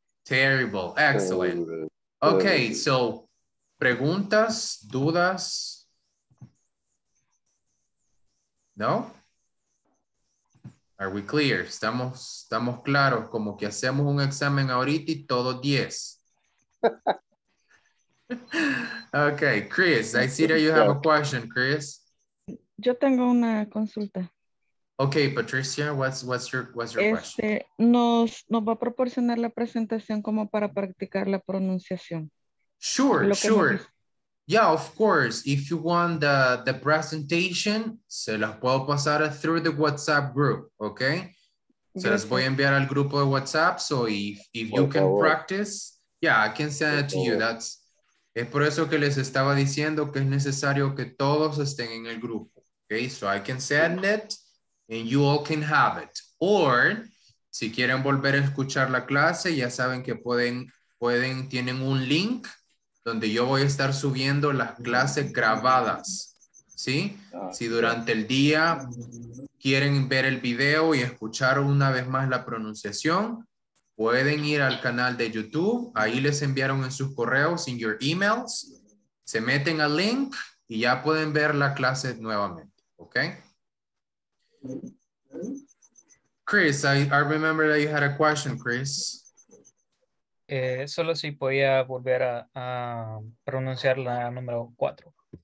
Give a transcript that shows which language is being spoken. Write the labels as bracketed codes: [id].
[en] Terrible. Excellent. Okay, so [es] preguntas, dudas. [en] No? Are we clear? [es] Estamos claros, como que hacemos un examen ahorita y todo 10. [en] Okay, Chris, I see that you have a question, Chris. [es] Yo tengo una consulta. [en] Okay, Patricia, what's your question? [es] Nos va a proporcionar la presentación como para practicar la pronunciación. [en] Sure, sure. Yeah, of course. If you want the presentation, [es] se las puedo pasar [en] through the WhatsApp group, okay? [es] Se las voy a enviar al grupo de WhatsApp, [en] so if you can practice, yeah, I can send it to you. That's [es] es por eso que les estaba diciendo que es necesario que todos estén en el grupo, okay? [en] So I can send it and you all can have it. [es] Or si quieren volver a escuchar la clase, ya saben que pueden tienen un link donde yo voy a estar subiendo las clases grabadas, ¿sí? Si durante el día quieren ver el video y escuchar una vez más la pronunciación, pueden ir al canal de YouTube, ahí les enviaron en sus correos, [en] in your emails, [es] se meten al link y ya pueden ver la clase nuevamente, ¿ok? [en] Chris, I remember that you had a question, Chris. [es] Solo si podía volver a pronunciar la número 4.